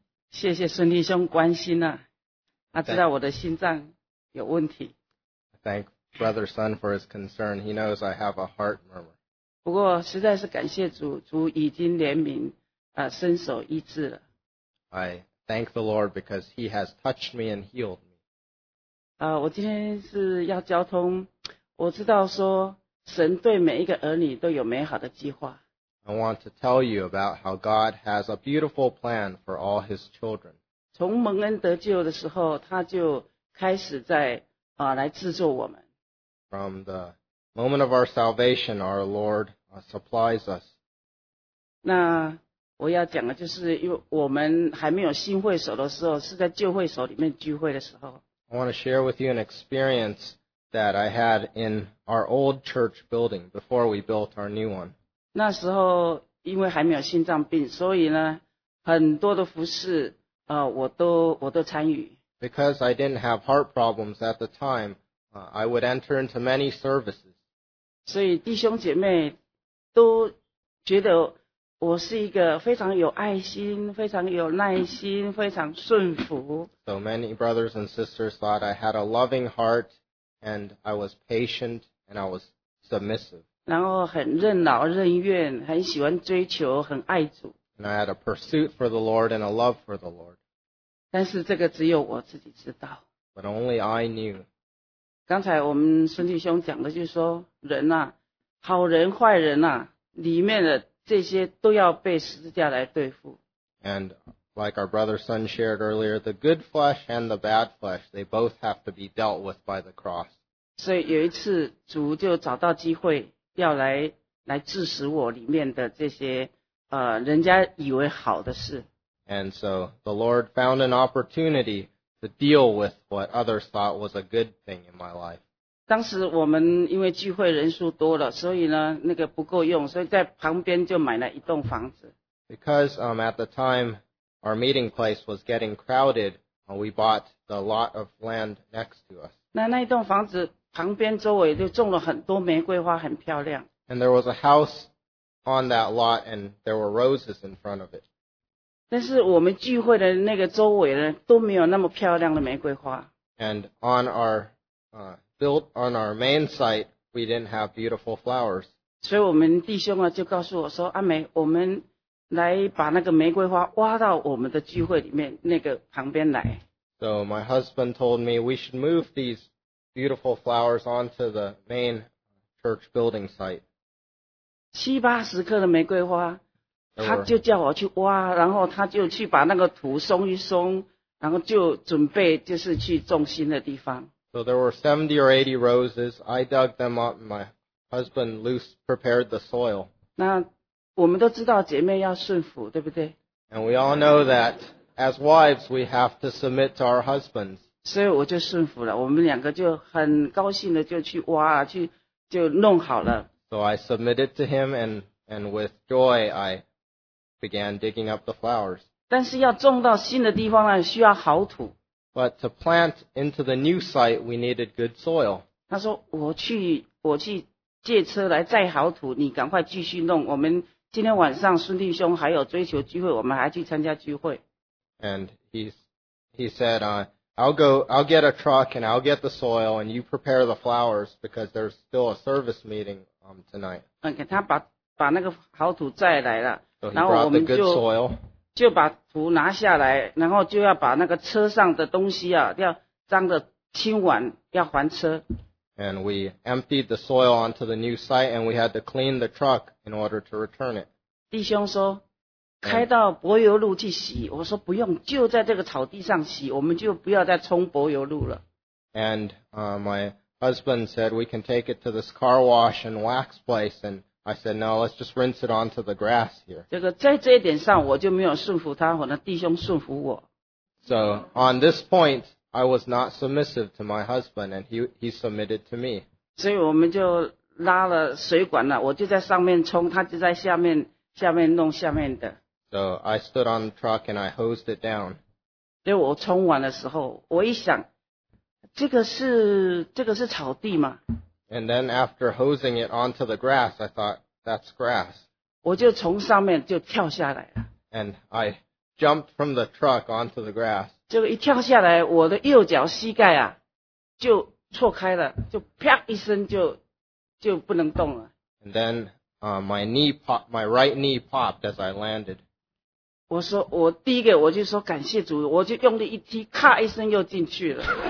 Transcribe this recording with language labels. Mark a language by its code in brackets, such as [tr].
[zh] 谢谢孙弟兄关心啊，他知道我的心脏有问题。 [en] Thank Brother Sun for his concern. He knows I have a heart murmur. [zh] 不过实在是感谢主，主已经怜悯，伸手医治了。 [en] I thank the Lord because He has touched me and healed me. [zh] 我今天是要交通，我知道说神对每一个儿女都有美好的计划。 [en] I want to tell you about how God has a beautiful plan for all His children. [zh] 从蒙恩得救的时候，他就开始在来制作我们。 [en] From the moment of our salvation, our Lord supplies us. [zh] 那我要讲的就是，因为我们还没有新会所的时候，是在旧会所里面聚会的时候。 [en] I want to share with you an experience that I had in our old church building before we built our new one. [zh] 那时候因为还没有心脏病，所以呢，很多的服事，我都参与。 [en] Because I didn't have heart problems at the time, I would enter into many services. [zh] 所以弟兄姐妹都觉得我是一个非常有爱心、非常有耐心、非常顺服。 [en] So many brothers and sisters thought I had a loving heart, and I was patient, and I was submissive. [zh] 然后很任劳任怨，很喜欢追求，很爱主。 [en] And I had a pursuit for the Lord and a love for the Lord. [zh] 但是这个只有我自己知道。 [en] But only I knew. [zh] 刚才我们孙弟兄讲的就是说，人啊，好人坏人啊，里面的这些都要被十字架来对付。 [en] And like our brother Sun shared earlier, the good flesh and the bad flesh, they both have to be dealt with by the cross. [zh] 所以有一次主就找到机会要来致使我里面的这些人家以为好的事。 [en] And so the Lord found an opportunity to deal with what others thought was a good thing in my life. [zh] 当时我们因为聚会人数多了，所以呢那个不够用，所以在旁边就买了一栋房子。 [en] Because at the time our meeting place was getting crowded, we bought the lot of land next to us. [zh] 那一栋房子旁边周围就种了很多玫瑰花，很漂亮。 [en] And there was a house on that lot, and there were roses in front of it. [zh] 但是我们聚会的那个周围呢，都没有那么漂亮的玫瑰花。 [en] And on our built on our main site, we didn't have beautiful flowers. [zh] 所以我们弟兄啊，就告诉我说，阿梅，我们来把那个玫瑰花挖到我们的聚会里面那个旁边来。 [en] So my husband told me we should move these beautiful flowers onto the main church building site. [zh] 七八十棵的玫瑰花。他就叫我去挖，然后他就去把那个土松一松，然后就准备就是去种新的地方。 [en] So there were 70 or 80 roses. I dug them up. My husband loose prepared the soil. [zh] 那我们都知道姐妹要顺服，对不对？ [en] And we all know that as wives we have to submit to our husbands. [zh] 所以我就顺服了，我们两个就很高兴的就去挖，去就弄好了。 [en] So I submitted to him and with joy I began digging up the flowers. [zh] 但是要种到新的地方呢，需要好土。 [en] But to plant into the new site, we needed good soil. [zh] 他说我去借车来载好土，你赶快继续弄。我们今天晚上孙弟兄还有追求聚会，我们还去参加聚会。 [en] And he said, I'll get a truck and I'll get the soil and you prepare the flowers because there's still a service meeting tonight. [zh] Okay, 他把那个好土载来了。 [en] So、he brought the good soil. [zh] 就把土拿下来，然后就要把那个车上的东西啊，要脏的清完，要还车。 [en] And we emptied the soil onto the new site, and we had to clean the truck in order to return it. [zh] 弟兄说，开到柏油路去洗。我说不用，就在这个草地上洗，我们就不要再冲柏油路了。 [en] And my husband said we can take it to this car wash and wax place and. I said, no, let's just rinse it onto the grass here. [zh] 这个在这一点上我就没有顺服他，我的弟兄顺服我。 [en] So, on this point, I was not submissive to my husband, and he submitted to me. [zh] 所以我们就拉了水管了，我就在上面冲，他就在下面弄下面的。 [en] So, I stood on the truck and I hosed it down. [zh] 所以我冲完的时候，我一想，这个是草地吗？ [en] And then after hosing it onto the grass, I thought, that's grass. [zh] 我就从上面就跳下来了。 [en] And I jumped from the truck onto the grass. [zh] 这个一跳下来，我的右脚膝盖啊，就错开了，就啪一声就不能动了。 [en] And then, my knee popped, my right knee popped as I landed. [zh] 我说，我第一个我就说感谢主，我就用力一踢，咔一声又进去了。